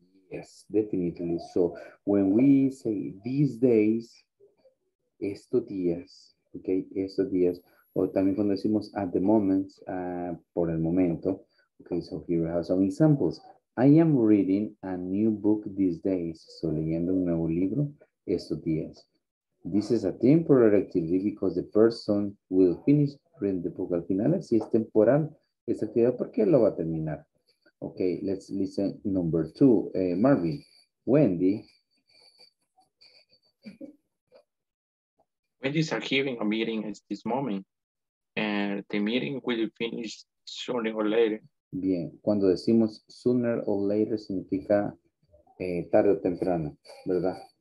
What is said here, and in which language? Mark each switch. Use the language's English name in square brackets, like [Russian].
[English] Yes, definitely. So when we say these days, [Spanish] estos días, [English] okay, estos días, o también cuando decimos at the moment, [Spanish] por el momento, [English] okay, so here we have some examples. I am reading a new book these days. So [Spanish] leyendo un nuevo libro estos días. [English] This is a temporary activity because the person will finish reading the book [Spanish] al final. Si es temporal, esa actividad, ¿por qué lo va a terminar? [English] Okay, let's listen number two. Marvin, Wendy. Wendy's are having a meeting at this moment. And the meeting will finish sooner or later. [Spanish] Bien, cuando decimos [English] sooner or later [Spanish] significa tarde o temprano, ¿verdad?